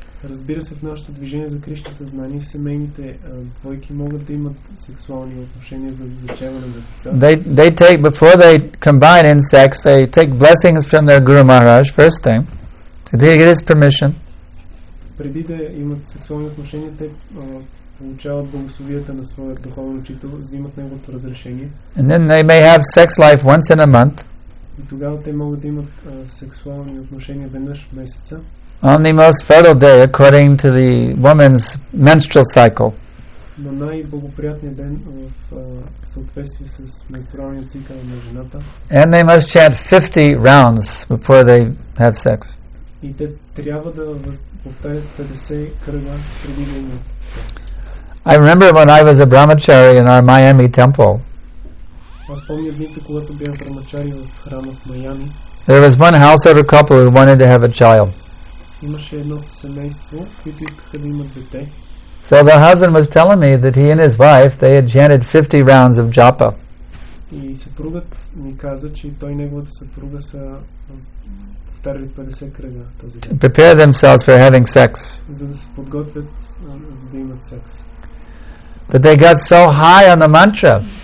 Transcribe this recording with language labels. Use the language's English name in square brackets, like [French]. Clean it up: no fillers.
[Bulgarian] Разбира се, в нашето движение за Кришна съзнание, семейните двойки могат да имат сексуални отношения за зачеване на деца. [English] They take, before they combine in sex, they take blessings from their Guru Maharaj first thing. Did they get his permission? [Bulgarian] Преди да имат сексуални отношения, те получават благословията на своя духовен учител, взимат неговото разрешение. [English] And then they may have sex life once in a month. [Bulgarian] И тогава те могат да имат сексуални отношения веднъж в месеца. [English] On the most fertile day, according to the woman's menstrual cycle. [Bulgarian] На най-благоприятния ден в съответствие с менструалния цикъл на жената. [English] And they must chant 50 rounds before they have sex. [Bulgarian] И те трябва да повторят 50 кръга преди да имат секс. [English] I remember when I was a brahmachari in our Miami temple. [Bulgarian] Аз помня дните, когато бях брахмачари в храма в Майами. [English] There was one householder couple who wanted to have a child. [Bulgarian] Имаше едно семейство, които искаха да имат дете. [English] So the husband was telling me that he and his wife, they had chanted 50 rounds of japa. [Bulgarian] И съпругът ми каза, че той и неговата съпруга са повтаряли 50 кръга този ден. [English] To prepare themselves for having sex. [Bulgarian] За да се подготвят, за да имат секс. [English] But they got so high on the mantra.